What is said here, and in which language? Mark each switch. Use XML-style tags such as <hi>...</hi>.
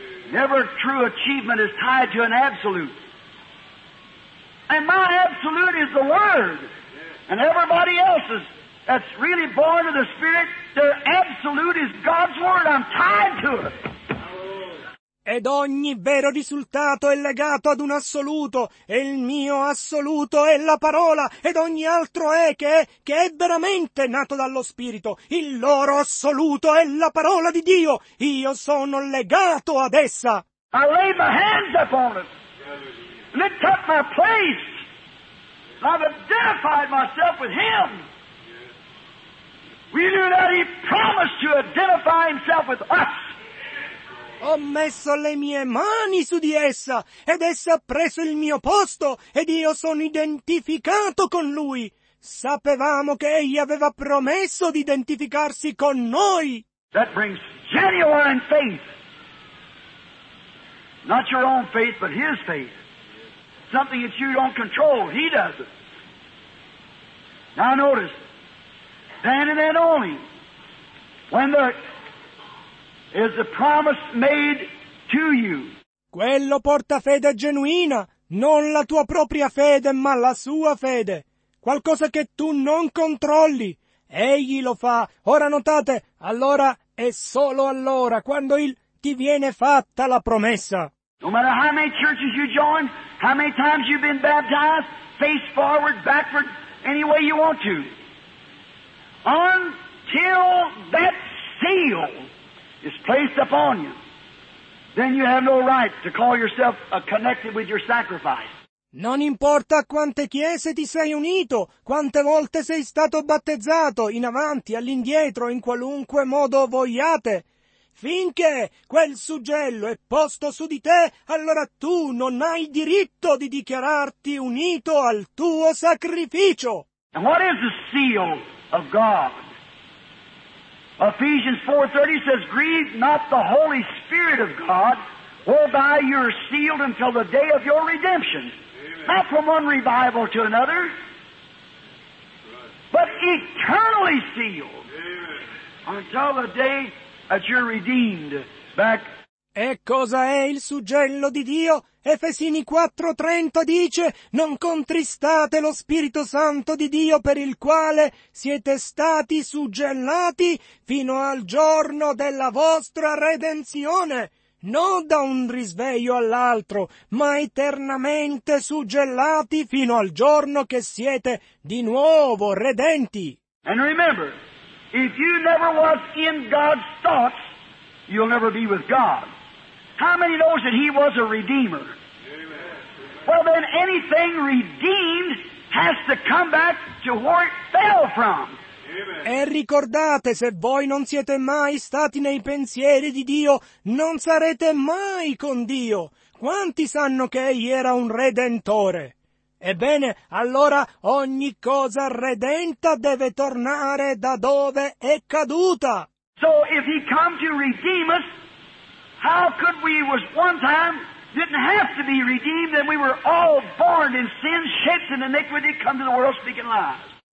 <en>Never true achievement is tied to an absolute. And my absolute is the Word. And everybody else's that's really born of the Spirit, their absolute is God's Word. I'm tied to it.</en> <it>Ed ogni vero risultato è legato ad un assoluto, e il mio assoluto è la parola, ed ogni altro è che è veramente nato dallo Spirito. Il loro assoluto è la parola di Dio. Io sono legato ad essa.</it> <en>I laid my hands upon it. And it took my place. I've identified myself with him. We knew that he promised to identify himself with us.</en> <it>Ho messo le mie mani su di essa, ed essa ha preso il mio posto, ed io sono identificato con lui. Sapevamo che egli aveva promesso di identificarsi con noi.</it> <en>That brings genuine faith. Not your own faith, but his faith. Something that you don't control, he does it. Now notice, then and then only, when there is a promise made to you.</en> <it>Quello porta fede genuina, non la tua propria fede, ma la sua fede. Qualcosa che tu non controlli, egli lo fa. Ora notate, allora è solo allora, quando il ti viene fatta la promessa.</it> <en>No matter how many churches you join, how many times you've been baptized, face forward, backward, any way you want to. Until that seal is placed upon you, then you have no right to call yourself connected with your sacrifice.</en> <it>Non importa quante chiese ti sei unito, quante volte sei stato battezzato, in avanti, all'indietro, in qualunque modo vogliate. Finché quel suggello è posto su di te, allora tu non hai diritto di dichiararti unito al tuo sacrificio.</it> <en>And what is the seal of God? Ephesians 4:30 says, grieve not the Holy Spirit of God, whereby you are sealed until the day of your redemption. Amen. Not from one revival to another, but eternally sealed. Amen. Until the day that you're redeemed back.</en> <it>E cosa è il suggello di Dio? Efesini 4:30 dice, non contristate lo Spirito Santo di Dio per il quale siete stati suggellati fino al giorno della vostra redenzione. Non da un risveglio all'altro, ma eternamente suggellati fino al giorno che siete di nuovo redenti.</it> <en>And remember, if you never was in God's thoughts, you'll never be with God. How many knows that He was a Redeemer? Amen. Well then, anything redeemed has to come back to where it fell from.</en> <it>E ricordate, se voi non siete mai stati nei pensieri di Dio, non sarete mai con Dio. Quanti sanno che Egli era un Redentore? Ebbene, allora ogni cosa redenta deve tornare da dove è caduta.</it> <en>So if He come to redeem us, how could we was one time didn't have to be redeemed and we were all born in sin, shaped in iniquity, come to the world speaking lies?</en>